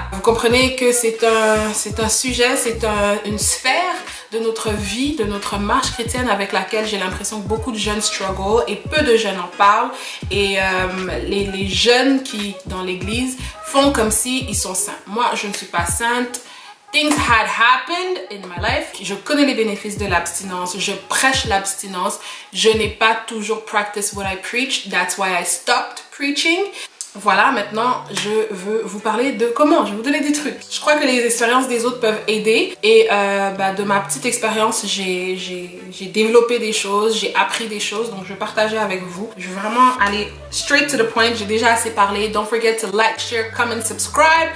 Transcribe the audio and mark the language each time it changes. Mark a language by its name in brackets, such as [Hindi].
[French] Vous comprenez que c'est un sujet, c'est une sphère de notre vie, de notre marche chrétienne avec laquelle j'ai l'impression que beaucoup de jeunes struggle et peu de jeunes en parlent. Et les jeunes qui, dans l'église, font comme s'ils sont saints. Moi, je ne suis pas sainte. [English] Things had happened in my life. [French] Je connais les bénéfices de l'abstinence. Je prêche l'abstinence. Je n'ai pas toujours [English] practiced what I preach. That's why I stopped preaching. [French] Voilà, maintenant, je veux vous parler de comment. Je vais vous donner des trucs. Je crois que les expériences des autres peuvent aider. Et de ma petite expérience, j'ai développé des choses, j'ai appris des choses. Donc, je vais partager avec vous. Je vais vraiment aller [English] straight to the point. [French] J'ai déjà assez parlé. [English] Don't forget to like, share, comment, subscribe.